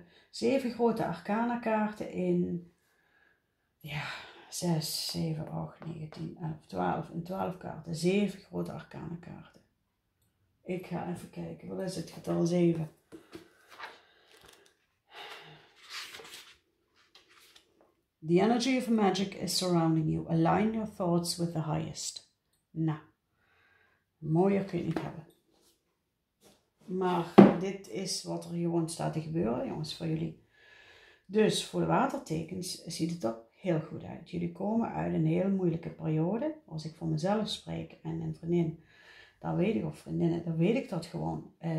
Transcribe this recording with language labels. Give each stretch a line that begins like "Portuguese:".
Dutch: Zeven grote arcana kaarten in, ja, 6, 7, 8, 9, 10, 11, 12. In 12 kaarten, 7 grote arcana kaarten. Ik ga even kijken, wat is het getal 7?
English: The energy of magic is surrounding you. Align your thoughts with the highest.
Dutch: Nou, mooier kun je niet hebben. Maar dit is wat er gewoon staat te gebeuren, jongens, voor jullie. Dus voor de watertekens ziet het er heel goed uit. Jullie komen uit een heel moeilijke periode. Als ik voor mezelf spreek en een vriendin, dan weet ik, of vriendinnen, dan weet ik dat gewoon.